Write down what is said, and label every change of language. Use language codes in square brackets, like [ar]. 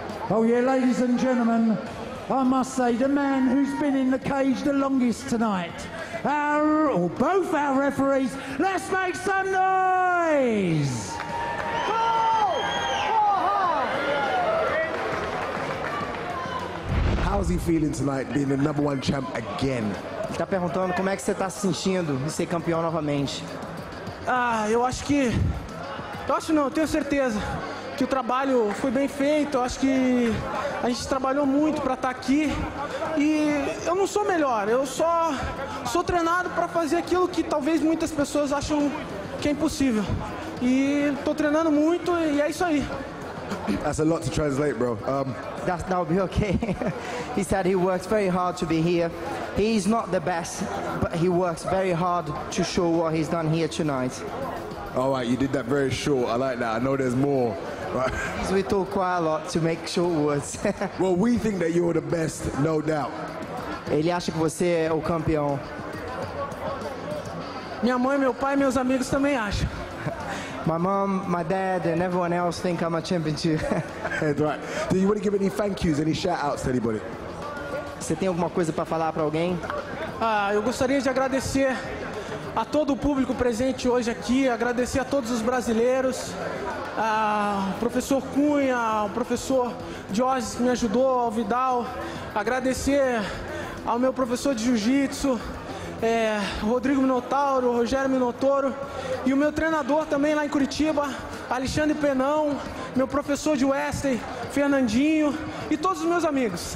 [en] Oh yeah, ladies and gentlemen, I must say, the man who's been in the cage the longest tonight, both our referees, let's make some noise! How's he feeling tonight, being the number one champ again? [pt] Ele está perguntando como é que você está se sentindo em ser campeão novamente. Ah, eu acho que... Eu acho não, eu tenho certeza que o trabalho foi bem feito. Eu acho que a gente trabalhou muito para estar aqui. E eu não sou melhor, eu só sou treinado para fazer aquilo que talvez muitas pessoas acham que é impossível. E estou treinando muito e é isso aí. [en] That's a lot to translate, bro. That'll be okay. He said he works very hard to be here. He's not the best, but he works very hard to show what he's done here tonight. All right, you did that very short. I like that. I know there's more. We talk quite a lot to make short words. Well, we think that you're the best, no doubt. [pt] Ele acha que você é o campeão. Minha mãe, meu pai, meus amigos também acham. [en] My mom, my dad, and everyone else think I'm a champion too. Right. Do you want to give any thank yous, any shout outs to anybody? [pt] Você tem alguma coisa para falar para alguém? Ah, eu gostaria de agradecer a todo o público presente hoje aqui, agradecer a todos os brasileiros, ao professor Cunha, ao professor Jorge que me ajudou, ao Vidal, agradecer ao meu professor de jiu-jitsu, Rodrigo Minotauro, Rogério Minotauro, e o meu treinador também lá em Curitiba, Alexandre Penão, meu professor de wrestling, Fernandinho, e todos os meus amigos.